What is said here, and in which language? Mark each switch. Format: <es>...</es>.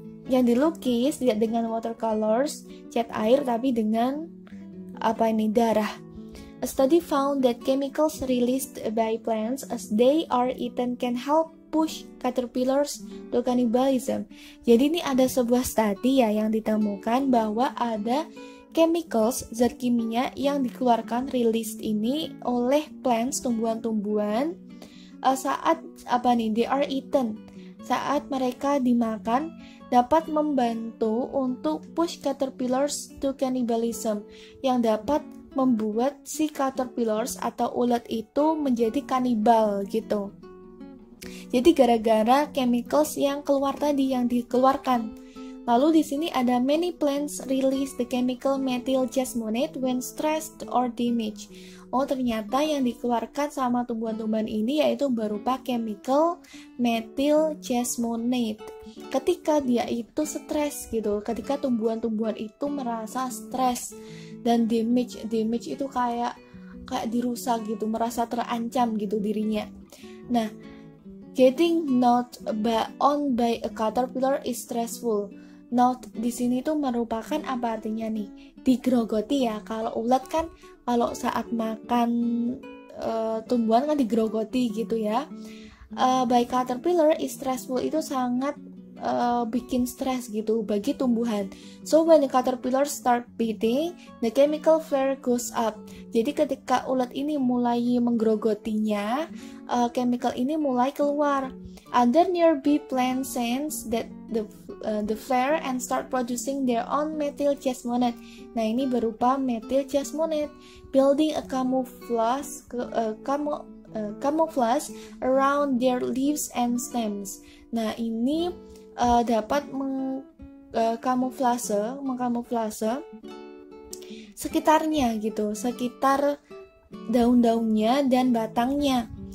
<id>Yang dilukis tidak dengan watercolors, cat air, tapi dengan apa ini, darah.</id> <en>A study found that chemicals released by plants as they are eaten can help push caterpillars to cannibalism.</en> <id>Jadi ini ada sebuah study ya yang ditemukan bahwa ada chemicals, zat kimia yang dikeluarkan, released ini oleh plants, tumbuhan-tumbuhan, saat apa nih,</id> <en>they are eaten,</en> <id>saat mereka dimakan, dapat membantu untuk</id> <en>push caterpillars to cannibalism,</en> <id>yang dapat membuat si caterpillars atau ulat itu menjadi kanibal gitu. Jadi gara-gara chemicals yang keluar tadi, yang dikeluarkan. Lalu di sini ada</id> <en>many plants release the chemical methyltiasmonate when stressed or damaged.</en> <id>Oh, ternyata yang dikeluarkan sama tumbuhan-tumbuhan ini yaitu berupa chemical methyltiasmonate. Ketika dia itu stres gitu, ketika tumbuhan-tumbuhan itu merasa stres dan damage itu kayak dirusak gitu, merasa terancam gitu dirinya.</id> <en>Nah, getting gnawed on by a caterpillar is stressful.</en> <id>Gnawed di sini tuh merupakan apa artinya nih? Digrogoti ya. Kalau ulat kan, kalau saat makan tumbuhan kan digrogoti gitu ya.</id> <en>By caterpillar is stressful,</en> <id>itu sangat bikin stres gitu bagi tumbuhan.</id> <en>So when the caterpillar start biting, the chemical flare goes up.</en> <id>Jadi ketika ulat ini mulai menggerogotinya, chemical ini mulai keluar.</id> <en>Other nearby plants sense that the flare and start producing their own methyltiasmonate.</en> <id>Nah, ini berupa</id> <en>methyltiasmonate, building a camouflage around their leaves and stems.</en> <id>Nah, ini dapat mengkamuflase sekitarnya gitu, sekitar daun-daunnya dan batangnya.</id>